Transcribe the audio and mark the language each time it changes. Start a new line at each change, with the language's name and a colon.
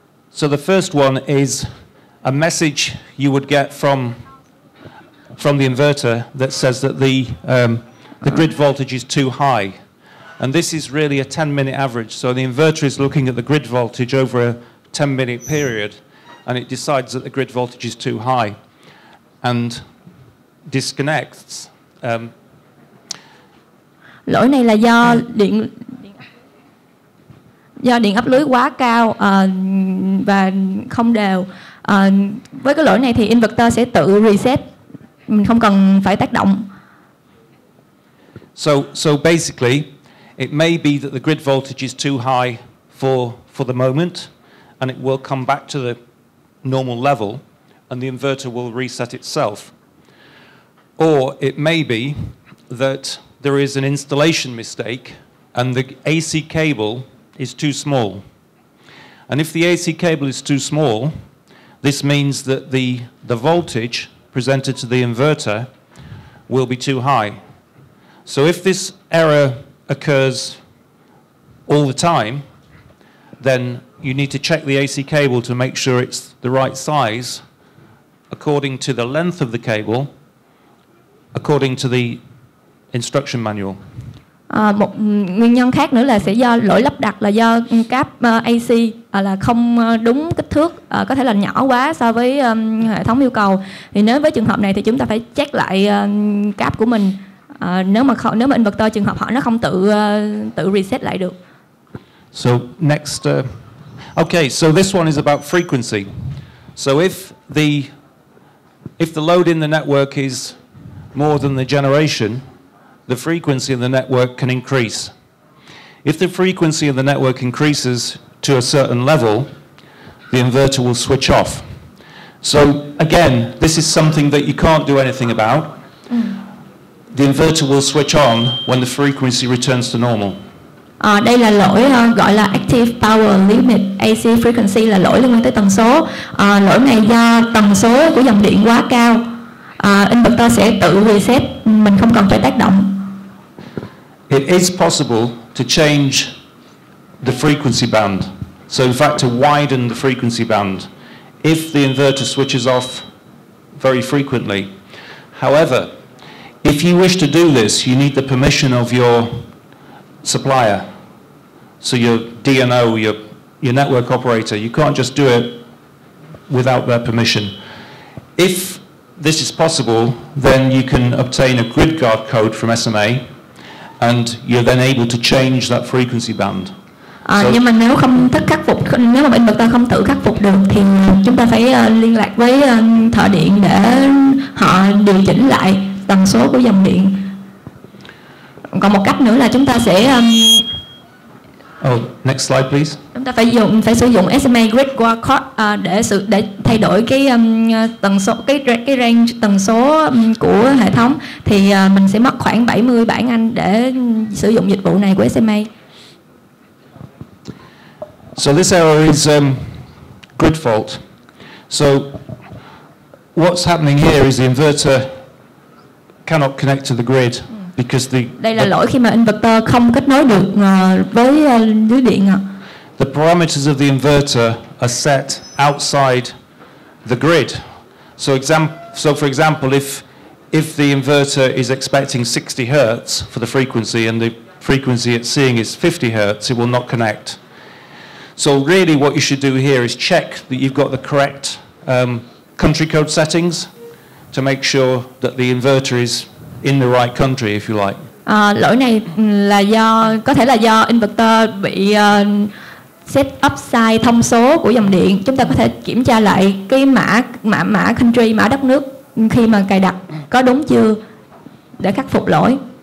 English: So the first one is a message you would get from the inverter that says that the grid voltage is too high. And this is really a 10-minute average. So the inverter is looking at the grid voltage over a 10-minute period and it decides that the grid voltage is too high and disconnects.
Vietnamese: Lỗi này là do điện áp lưới quá cao và không đều. Với cái lỗi này thì inverter sẽ tự reset, mình không cần phải tác động. So basically, it may be that the grid voltage is too high for the moment, and it will come back to the normal level, and the inverter will reset itself. Or it may be that there is an installation mistake, and the AC cable is too small. And if the AC cable is too small, this means that the voltage presented to the inverter will be too high. So if this error occurs all the time, then you need to check the AC cable to make sure it's the right size according to the length of the cable, according to the instruction manual. Một nguyên nhân khác nữa là sẽ do lỗi lắp đặt là do cáp AC là không đúng kích thước, có thể là nhỏ quá so với hệ thống yêu cầu. Thì nếu với trường hợp này thì chúng ta phải check lại cáp của mình. Nếu mà inverter trường hợp họ nó không tự reset lại được.
English: So next, okay, so this one is about frequency. So if the load in the network is more than the generation, the frequency of the network can increase. If the frequency of the network increases to a certain level, the inverter will switch off. So again, this is something that you can't do anything about. The inverter will switch on when the frequency returns to normal.
Vietnamese: Đây là lỗi gọi là active power limit AC frequency, là lỗi liên quan tới tần số. Lỗi này do tần số của dòng điện quá cao. Inverter sẽ tự reset, mình không cần phải tác động.
English: It is possible to change the frequency band. So in fact to widen the frequency band if the inverter switches off very frequently. However, if you wish to do this, you need the permission of your supplier. So your DNO, your network operator, you can't just do it without their permission. If this is possible, then you can obtain a grid guard code from SMA and you're then able to change that frequency band.
Vietnamese: Nhưng mà nếu không thức khắc phục, nếu mà inverter không tự khắc phục được thì chúng ta phải liên lạc với thợ điện để họ điều chỉnh lại tần số của dòng điện. Còn một cách nữa là chúng ta sẽ
English: next slide please.
Vietnamese: Chúng ta phải sử dụng SMA grid guard code để thay đổi cái tần số, cái range tần số của hệ thống, thì mình sẽ mất khoảng 70 bảng Anh để sử dụng dịch vụ này của SMA.
English: So this error is grid fault. So what's happening here is the inverter cannot connect to the grid because the
Vietnamese: đây là lỗi khi mà inverter không kết nối được với lưới điện ạ.
English: The parameters of the inverter are set outside the grid. So for example if the inverter is expecting 60 hertz for the frequency and the frequency it's seeing is 50 hertz, it will not connect. So really what you should do here is check that you've got the correct country code settings to make sure that the inverter is in the right country, if you like.
Vietnamese: Lỗi này là do, có thể là do inverter bị set up sai thông số của dòng điện. Chúng ta có thể kiểm tra lại cái mã country, mã đất nước khi mà cài đặt có đúng chưa để khắc phục lỗi.